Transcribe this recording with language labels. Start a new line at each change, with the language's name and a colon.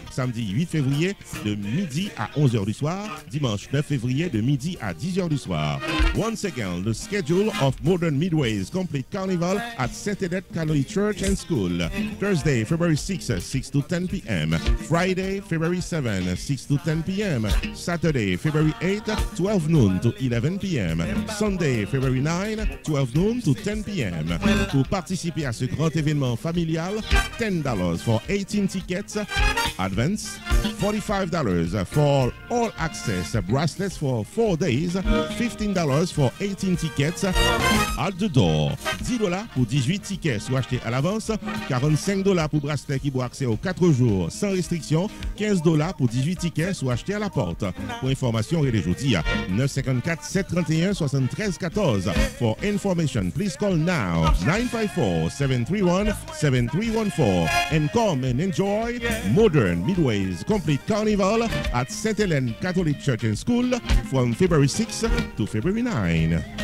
French: Samedi 8 février, de midi à 11h du soir. Dimanche 9 février, de midi à 10h du soir.
English: Once again, the schedule of Modern Midways Complete Carnival at Saint-Edith Catholic Church and School. Thursday, February 6, 6 to 10 p.m. Friday, February 7, 6 to 10 p.m. Saturday, February 8, 12 noon to 11 p.m. Sunday, February 9, 12 noon to 10 p.m. To participate
French: à ce grand événement familial,
English: $10 for 18 tickets, advance, $45 for all access, bracelets for 4 days, $15 for 18 tickets, at the door,
French: $10 pour 18 tickets ou achetés à l'avance, $45 pour bracelet qui pour accès aux 4 jours sans restriction, $15 pour 18 tickets ou achetés à la porte. Pour information, rendez-vous jeudi à 954-731-7314.
English: For information, please call now 954-731-7314 and come and enjoy Modern Midways Complete Carnival at St. Helen Catholic Church and School from February 6 to February 9.